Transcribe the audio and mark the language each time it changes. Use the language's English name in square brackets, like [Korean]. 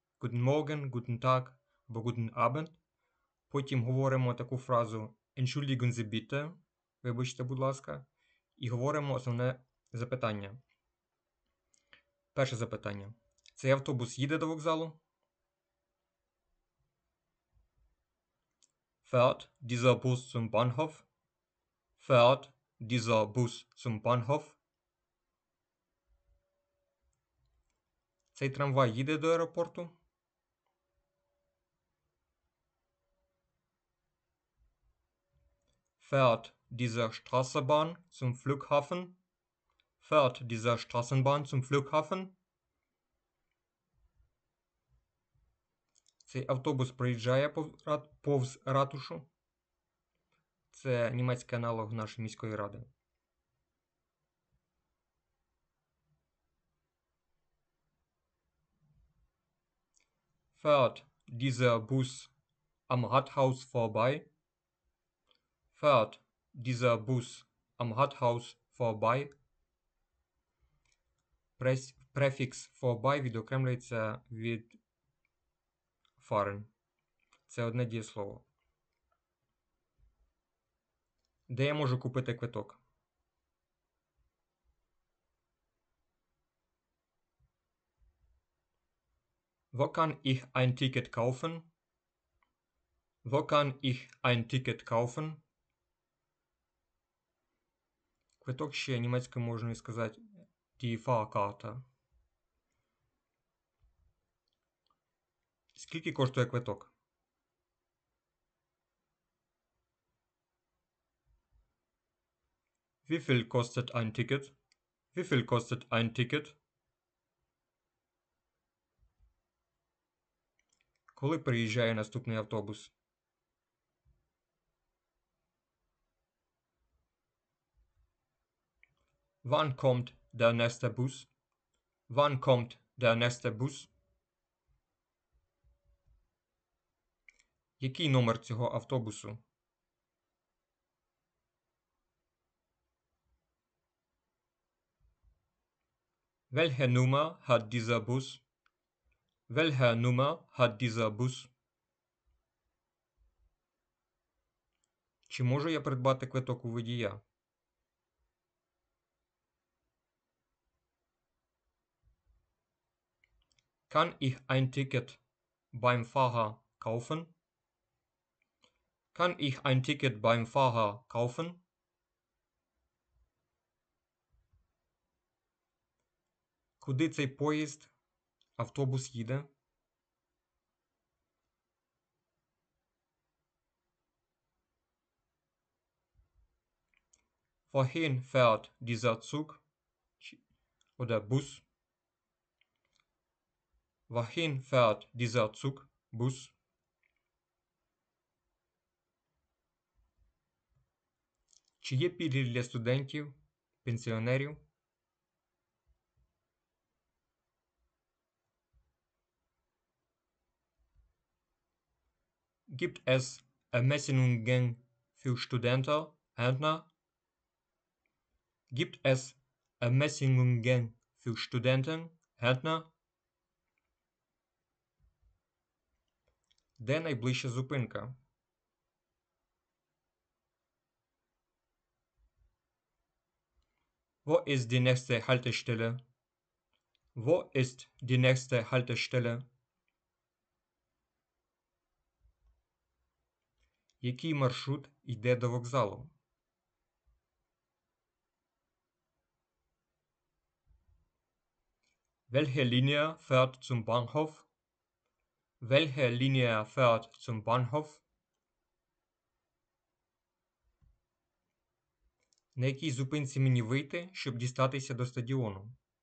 [German] Guten Morgen, Guten Tag або Guten Abend. [Ukrainian] Потім говоримо таку фразу [German] Entschuldigen Sie bitte, [Ukrainian] вибачте, будь ласка. І говоримо основне запитання. Перше запитання. Цей автобус їде до вокзалу? [German] Fährt dieser Bus zum Bahnhof? Fährt dieser Bus zum Bahnhof? [Ukrainian] Цей трамвай їде до аеропорту? [German] Fährt dieser Straßenbahn zum Flughafen? Fährt dieser Straßenbahn zum Flughafen? [Ukrainian] Цей автобус проїжджає повз ратушу. Це німецький аналог нашої міської ради. [German] Fährt dieser Bus am Rathaus vorbei? Fährt dieser Bus am Rathaus vorbei? [Ukrainian] Префікс vorbei відокремлюється від Фарен. Це одне дієслово. Де я можу купити квиток? [German] Wo kann ich ein Ticket kaufen? Wo kann ich ein Ticket kaufen? [Ukrainian] Квиток ще німецькою можна і сказати die Fahrkarte. Скільки коштує квиток? [German] Wie viel kostet ein Ticket? Wie viel kostet ein Ticket? [Ukrainian] Коли приїжджає наступний автобус? [German] Wann kommt der nächste Bus? Wann kommt der nächste Bus? [Ukrainian] Який номер цього автобусу? [German] Welche Nummer hat dieser Bus? Welche Nummer hat dieser Bus? [Ukrainian] Чи можу я придбати квиток у водія? [German] Kann ich ein Ticket beim Fahrer kaufen? Kann ich ein Ticket beim Fahrer kaufen? [Ukrainian] Куди цей поїзд, автобус їде? [German] Wohin fährt dieser Zug oder Bus? Wohin fährt dieser Zug, Bus? [Ukrainian] Чи є пільги для студентів, пенсіонерів? [German] Gibt es Ermäßigungen für Studenten, Rentner? Gibt es Ermäßigungen für Studenten, Rentner? [Ukrainian] Де найближча зупинка? [German] Wo ist die nächste Haltestelle? Wo ist die nächste Haltestelle? [Ukrainian] Який маршрут йде до вокзалу? [German] Welche Linie fährt zum Bahnhof? Welche Linie fährt zum Bahnhof? [Ukrainian] На якій зупинці мені вийти, щоб дістатися до стадіону?